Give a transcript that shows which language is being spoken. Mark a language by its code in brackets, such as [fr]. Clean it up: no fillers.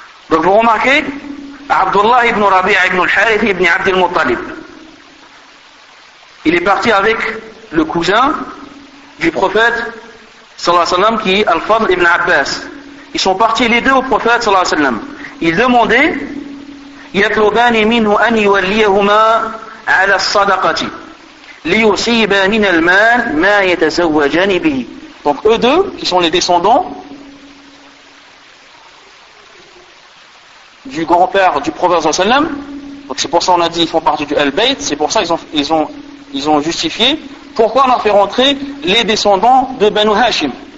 [fr] Donc vous remarquez, Abdullah ibn Rabi'a ibn al-Harith ibn Abd al-Muttalib. Il est parti avec le cousin du prophète sallallahu alayhi wa sallam, qui est Al-Fadl ibn Abbas. Ils sont partis les deux au prophète, sallallahu alayhi wa sallam. Ils demandaient, [ar] يَطْلُبَانِ مِنْهُ أَنْ يُوَلِّيَهُمَا عَلَى الصَّدَقَةِ لِيُصِيبَانِنَ الْمَالِ مَا يَتَزَوَّجَانِ بِهِ. [fr] Donc eux deux, qui sont les descendants du grand-père du prophète sallallahu alayhi wa sallam, donc c'est pour ça qu'on a dit qu'ils font partie du Al-Bayt, c'est pour ça qu'ils ont justifié pourquoi on a fait rentrer les descendants de Banu Hashim.